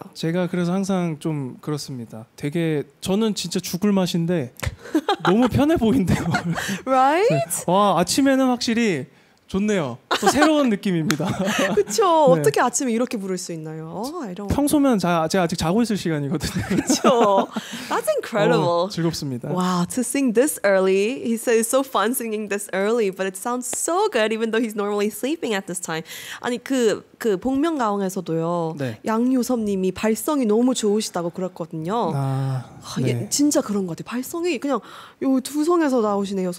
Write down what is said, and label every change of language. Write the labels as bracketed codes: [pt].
[ko] 제가 그래서 항상 좀 그렇습니다. 되게 저는 진짜 죽을 맛인데 너무 편해 보인대요. [en] Right? [ko] 네. 와 아침에는 확실히 좋네요. 또 새로운 느낌입니다. 그렇죠. 네. 어떻게 아침에 이렇게 부를 수 있나요? 이런. 평소면 제가 아직 자고 있을 시간이거든요. 그렇죠. [en] That's incredible. [ko] 즐겁습니다. [en] Wow, to sing this early. He said it's so fun singing this early, but it sounds so good even though he's normally sleeping at this time. [ko] 아니 그 복면가왕에서도요. 네. 양유섭님이 발성이 너무 좋으시다고 그랬거든요. 아, 네. 예, 진짜 그런 것 같아. 발성이 그냥 요 두성에서 나오시네요.